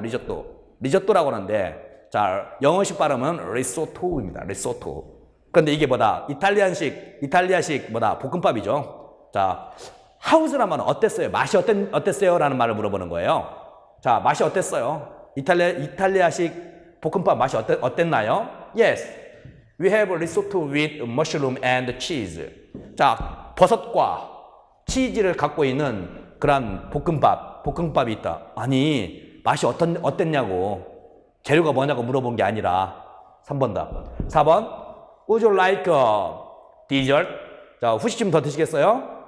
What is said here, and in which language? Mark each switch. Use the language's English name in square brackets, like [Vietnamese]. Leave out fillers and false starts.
[Korean] 리조또. 리조또라고 하는데, 자, 영어식 발음은 risotto입니다. risotto. 그런데 이게 뭐다? 이탈리아식 뭐다? 볶음밥이죠. 자, how's란 말은 어땠어요? 맛이 어땠어요? 라는 말을 물어보는 거예요. 자, 맛이 어땠어요? 이탈리아식 볶음밥 맛이 어땠나요? [English] Yes. We have a risotto with mushroom and cheese. [Korean] 자, 버섯과 치즈를 갖고 있는 그런 볶음밥이 있다. 아니, 맛이 어땠냐고. 재료가 뭐냐고 물어본 게 아니라. 3번 다. 4번. [English] Would you like a dessert? [Korean] 자, 후식 좀 더 드시겠어요?